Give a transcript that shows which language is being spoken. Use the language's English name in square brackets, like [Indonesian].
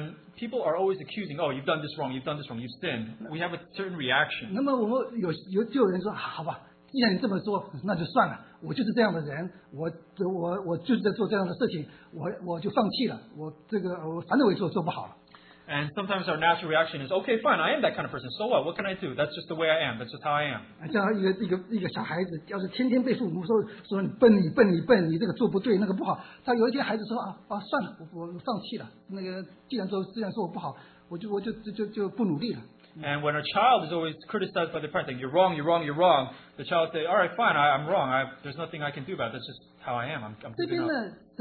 [English] When people are always accusing, oh, you've done this wrong, you've done this wrong, you've sinned, we have a certain reaction. [Chinese] 那么我们有救人说,好吧。既然你这么说,那就算了,我就是这样的人,我就是在做这样的事情,我就放弃了,反正我也做不好了。 [English] And sometimes our natural reaction is, okay, fine, I am that kind of person, so what? What can I do? That's just the way I am, that's just how I am. [Chinese] 像一个小孩子,要是天天被父母说你笨,你笨,你这个做不对,那个不好,他有一些孩子说,算了,我放弃了,既然说我不好,我就不努力了。 [English] And when a child is always criticized by their parents, saying, you're wrong, the child will say, all right, fine, I'm wrong, there's nothing I can do about it, that's just how I am, I'm doing it.